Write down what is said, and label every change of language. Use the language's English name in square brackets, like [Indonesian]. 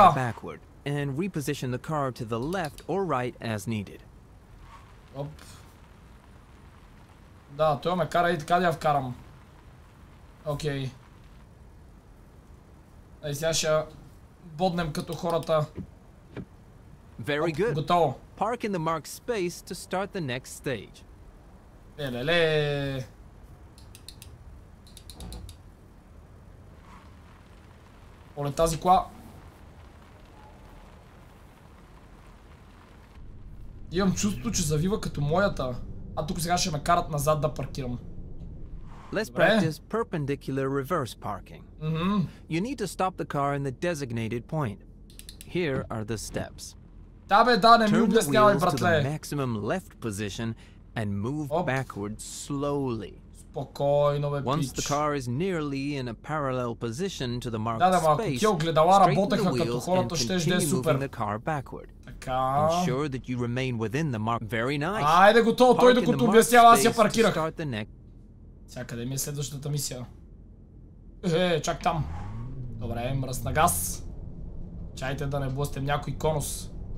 [English] Backward and reposition the car to the left or right as needed. [Bulgarian] Оп. Да, той ме кара и така да я вкарам. Окей. Ай, сега ще боднем като хората. [English] Very good. [Bulgarian] Готово. [English] Park in the marked space to start the next stage. [Bulgarian] Е-ле-ле. Оле, тази кола. Имам чувството, че завива като моята. А тук сега ще ме карат назад да паркирам. [English] Let's practice perpendicular reverse parking. Mm-hmm. You need to stop the car in the designated point. Here are the steps. [Bulgarian] Да бе, да, не ми обяснявай, братле. [English] Turn the wheels to the maximum left position and move backward slowly. [Bulgarian] Спокойно, бе, пич. [English] Once the car is nearly in a parallel position to the marked space, straighten the wheels and continue moving the car backward. Straighten the wheels and continue moving the car backward. Ensure that you remain within the mark. Very nice. [Bulgarian] Айде готово, той докато обяснява, аз я паркирах. Сега къде ми е следващата мисия? Е, чак там. Добре, мръс на газ. Чайте да не блъстем някой конус.